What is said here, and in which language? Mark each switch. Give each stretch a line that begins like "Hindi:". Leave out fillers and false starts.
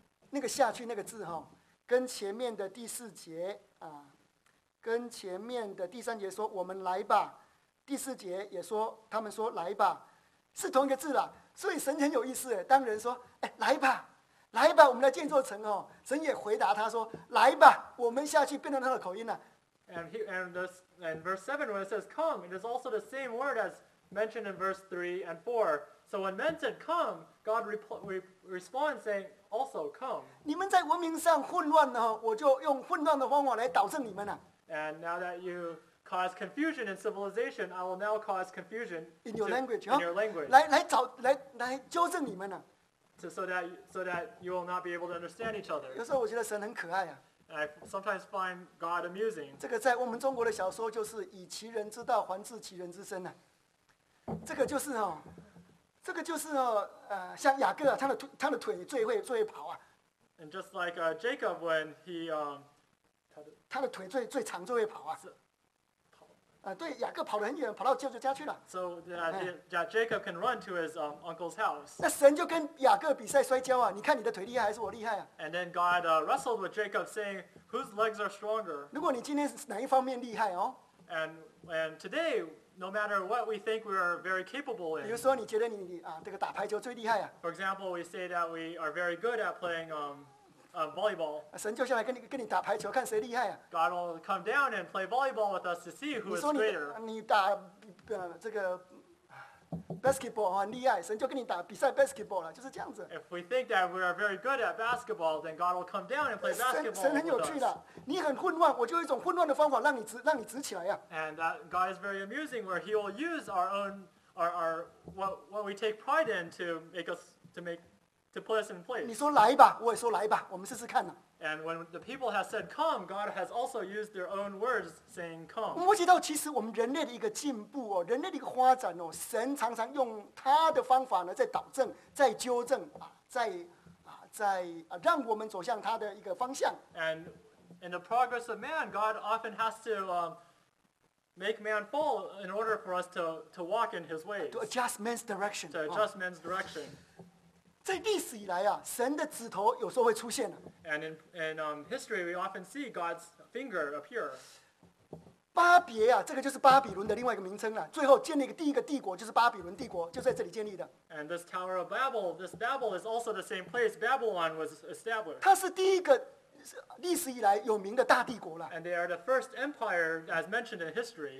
Chinese: 那个下去那个字跟前面的第四节跟前面的第三节说我们来吧第四节也说他们说来吧是同一个字啦所以神很有意思当人说来吧来吧我们来建座城神也回答他说来吧我们下去变成他的口音
English: and verse 7 when it says come it is also the same word as mentioned in verse 3 and 4 so when men said come God responds saying also come
Chinese: 你们在文明上混乱我就用混乱的方法来导致你们
English: and now that youCause confusion in civilization. I will now cause confusion in your language. In your language,
Chinese: 来纠正你们
English: So that you will not be able to understand each other.
Chinese: 有时候我觉得神很可爱
English: I sometimes find God amusing.
Chinese: 这个在我们中国的小说就是以其人之道还治其人之身、啊、这个就是哦，这个就是哦，像雅各、啊、他的腿最会跑啊。
English: And just like Jacob, when he
Chinese: 他的腿最长最会跑啊。对，雅各跑得很远，跑到舅舅家去了。
English: So that Jacob can run to his uncle's house.
Chinese: 那神就跟雅各比赛摔跤啊，你看你的腿厉害还是我厉害啊
English: ？And then God wrestled with Jacob, saying, "Whose legs are stronger?"
Chinese: 如果你今天哪一方面厉害哦
English: ？And today, no matter what we think we are very capable in.
Chinese: 比如说，你觉得你啊，这个打排球最厉害啊
English: ？For example, we say that we are very good at playing volleyball.
Chinese: 神就下来跟你打排球，看谁厉害啊
English: ！God will come down and play volleyball with us to see who is greater.
Chinese: 你打这个 basketball 很厉害，神就跟你打比赛 basketball 了，就是这样子。
English: If we think that we are very good at basketball, then God will come down and play basketball with us.
Chinese: 神很有趣的，你很混乱，我就有一种混乱的方法让你直起来呀。
English: And that God is very amusing, where He will use our own our what we take pride in to make us to make. To put us in place.
Chinese: 你说来吧，我也说来吧，我们试试看呢、啊。
English: And when the people have said come, God has also used their own words saying come.
Chinese: 我们知道，其实我们人类的一个进步哦，人类的一个发展哦，神常常用他的方法呢，在导正，在纠正啊，在让我们走向他的一个方向。
English: And in the progress of man, God often has to make man fall in order for us to walk in His ways. To adjust man's direction. To adjust man's direction.
Chinese: 在历史以来啊，神的指头有时候会出现的。
English: And in history, we often see God's finger appear.
Chinese: 巴别啊，这个就是巴比伦的另外一个名称了。最后建立第一个帝国就是巴比伦帝国，就在这里建立的。
English: And this Tower of Babel, this Babel is also the same place Babylon was established.
Chinese: 它是第一个历史以来有名的大帝国了。
English: And they are the first empire as mentioned in history.